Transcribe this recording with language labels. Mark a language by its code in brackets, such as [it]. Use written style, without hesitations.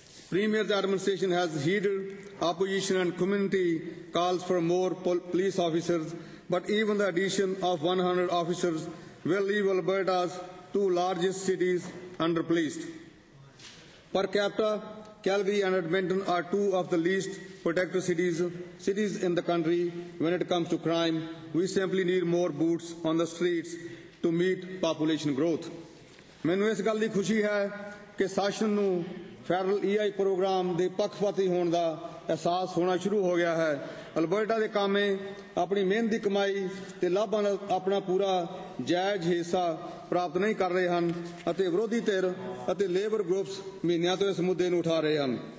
[en] Premier's administration has heeded opposition and community calls for more police officers, but even the addition of 100 officers will leave Alberta's two largest cities under-policed. Per capita, Calgary and Edmonton are two of the least protected cities in the country when it comes to crime. We simply need more boots on the streets to meet population growth. [pa] ਮੈਨੂੰ ਇਸ ਗੱਲ ਦੀ ਖੁਸ਼ੀ ਹੈ ਕਿ ਸ਼ਾਸਨ ਨੂੰ federal EI programme ਦੇ ਪੱਖਪਾਤੀ ਹੋਣ ਦਾ ਅਹਿਸਾਸ ਹੋਣਾ ਸ਼ੁਰੂ ਹੋ ਗਿਆ ਹੈ ਅਲਬਰਟਾ ਦੇ ਕਾਮੇ ਆਪਣੀ ਮਿਹਨਤ ਦੀ ਕਮਾਈ ਤੇ ਲਾਭਾਂ ਦਾ ਆਪਣਾ ਪੂਰਾ ਜਾਇਜ਼ ਹਿੱਸਾ ਪ੍ਰਾਪਤ ਨਹੀਂ ਕਰ ਰਹੇ ਹਨ ਅਤੇ ਵਿਰੋਧੀ ਧਿਰ ਅਤੇ ਲੇਬਰ ਗਰੁੱਪਸ ਮਹੀਨਿਆਂ ਤੋਂ ਇਸ ਮੁੱਦੇ ਨੂੰ ਉਠਾ ਰਹੇ ਹਨ